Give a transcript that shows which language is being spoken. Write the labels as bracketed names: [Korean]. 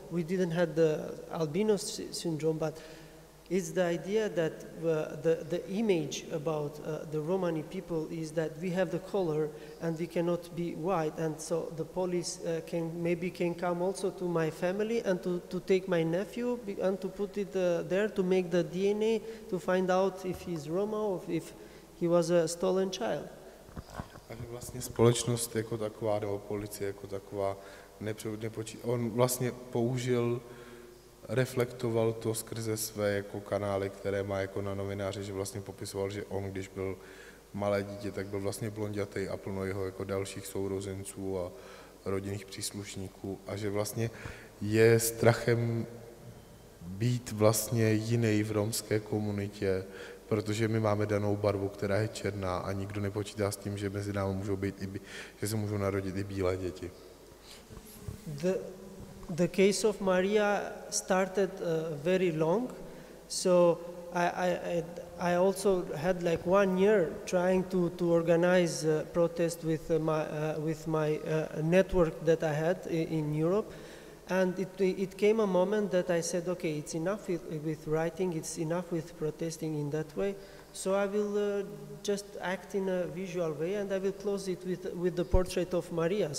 [English] We didn't have the albino syndrome, but it's the idea that the image about the Romani people is that we have the color and we cannot be white, and so the police can come also to my family and to take my nephew and to put it there to make the DNA to find out if he's Roma or if he was a stolen child. [Czech] Takže vlastně společnost jako taková nebo policie jako taková on vlastně použil reflektoval to skrze své jako kanály, které má jako na novináři, že vlastně popisoval, že on, když byl malé dítě, tak byl vlastně blondětý a plno jeho jako dalších sourozenců a rodinných příslušníků a že vlastně je strachem být vlastně jiný v romské komunitě, protože my máme danou barvu, která je černá a nikdo nepočítá s tím, že mezi námi můžou být že se můžou narodit i bílé děti. [English] The case of Maria started very long, so I also had like 1 year trying to organize a protest with my network that I had in Europe, and it came a moment that I said, okay, it's enough with writing, it's enough with protesting in that way, so I will just act in a visual way, and I will close it with the portrait of Maria.